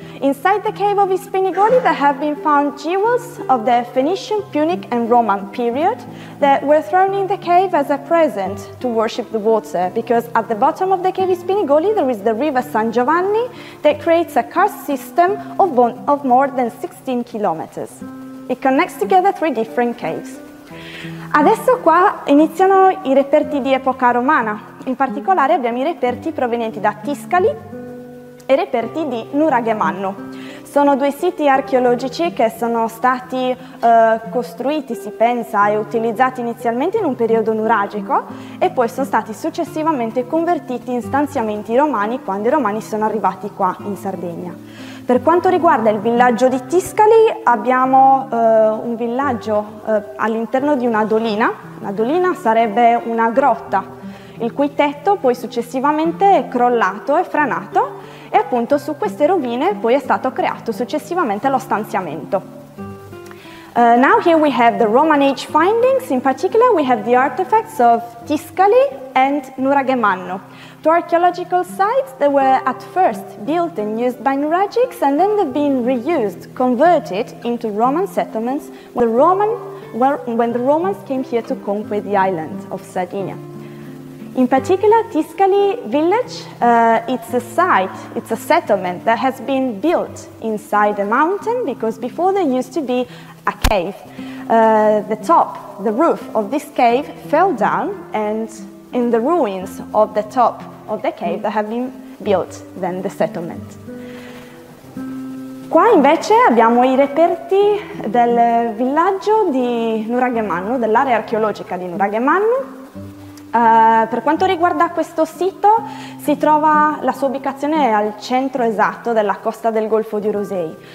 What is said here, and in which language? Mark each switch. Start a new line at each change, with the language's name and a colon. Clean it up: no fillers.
English: Inside the cave of Ispinigoli, there have been found jewels of the Phoenician, Punic, and Roman period that were thrown in the cave as a present to worship the water, because at the bottom of the cave Ispinigoli, there is the river San Giovanni that creates a karst system of more than 16 kilometers. It connects together three different caves.
Italian: Adesso qua iniziano i reperti di epoca romana. In particolare abbiamo i reperti provenienti da Tiscali e reperti di Nuraghe Mannu. Sono due siti archeologici che sono stati costruiti, si pensa, e utilizzati inizialmente in un periodo nuragico e poi sono stati successivamente convertiti in stanziamenti romani quando i romani sono arrivati qua in Sardegna. Per quanto riguarda il villaggio di Tiscali, abbiamo un villaggio all'interno di una dolina. Una dolina sarebbe una grotta, il cui tetto poi successivamente è crollato e franato, e appunto su queste rovine poi è stato creato successivamente lo stanziamento.
English: Now here we have the Roman Age findings, in particular we have the artifacts of Tiscali and Nuraghe Mannu. Two archaeological sites that were at first built and used by Nuragics and then they've been reused, converted into Roman settlements when the Romans came here to conquer the island of Sardinia. In particular, Tiscali village, it's a settlement that has been built inside a mountain, because before there used to be a cave. The top, the roof of this cave fell down, and in the ruins of the top of the cave that have been built then the settlement.
Italian: Qua invece abbiamo i reperti del villaggio di Nuraghe Mannu, dell'area archeologica di Nuraghe Mannu. Per quanto riguarda questo sito, si trova la sua ubicazione al centro esatto della costa del Golfo di Rosei.